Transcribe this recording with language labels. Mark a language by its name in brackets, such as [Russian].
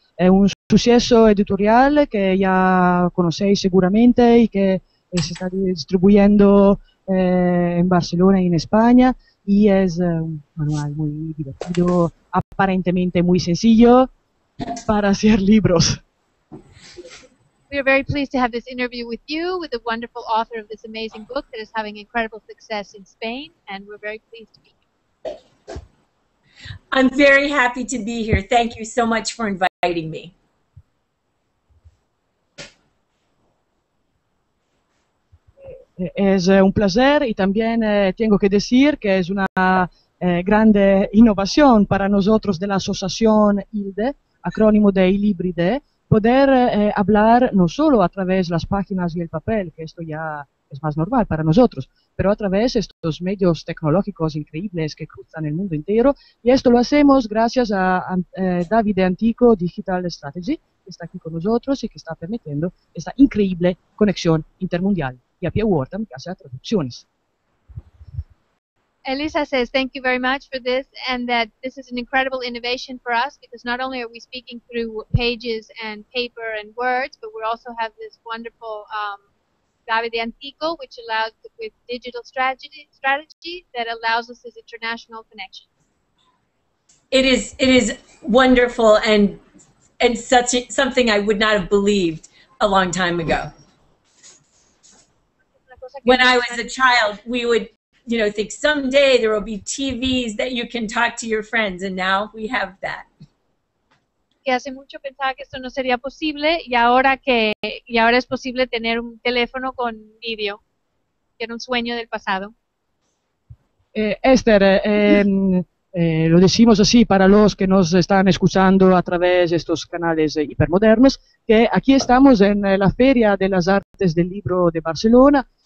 [Spanish] Un suceso editorial que ya conocéis seguramente y que se está distribuyendo en Barcelona y en España. Y es un manual muy divertido, aparentemente muy sencillo para hacer libros. [English] We are very pleased to have this interview with you, with the wonderful author of this amazing book that is having incredible success in Spain, and we're very pleased to be here. I'm very happy to be here. Thank you so much for inviting me. [Spanish] Es un placer y también tengo que decir que es una grande innovación para nosotros de la asociación Ilde, acrónimo de Ilibride, poder hablar no solo a través de las páginas y el papel, que esto ya es más normal para nosotros, pero a través de estos medios tecnológicos increíbles que cruzan el mundo entero. Y esto lo hacemos gracias a Davide Antico, Digital Strategy, que está aquí con nosotros y que está permitiendo esta increíble conexión intermundial. Y a Pia Wharton, que hace traducciones. [English] Elisa says, thank you very much for this, and that this is an incredible innovation for us, because not only are we speaking through pages and paper and words, but we also have this wonderful Davide Antico, which allows with digital strategy that allows us this international connection. It is wonderful and such something I would not have believed a long time ago. When I was a child, we would, you know, think someday there will be TVs that you can talk to your friends, and now we have that. [Spanish] Y hace mucho pensaba que esto no sería posible, y ahora es posible tener un teléfono con video, que era un sueño del pasado. Esther, lo decimos así para los que nos están escuchando a través de estos canales hipermodernos, que aquí estamos en la Feria de las Artes del Libro de Barcelona,